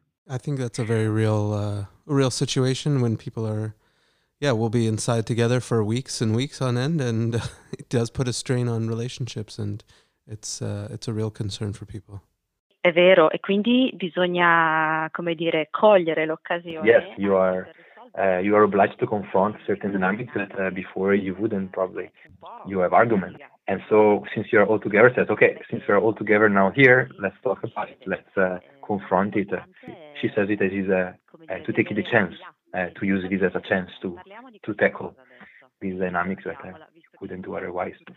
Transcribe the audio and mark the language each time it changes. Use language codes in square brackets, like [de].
[en] I think that's a very real real situation when people are, we'll be inside together for weeks and weeks on end, and it does put a strain on relationships, and it's a real concern for people. [it] È vero, e quindi bisogna, come dire, cogliere l'occasione. [en] Yes, you are obliged to confront certain dynamics that before you wouldn't probably. You have arguments. And so since you're all together, says, okay, since we're all together now here, let's talk about it, let's confront it. She says it as is to take the chance, to use this as a chance to tackle these dynamics that I couldn't do otherwise.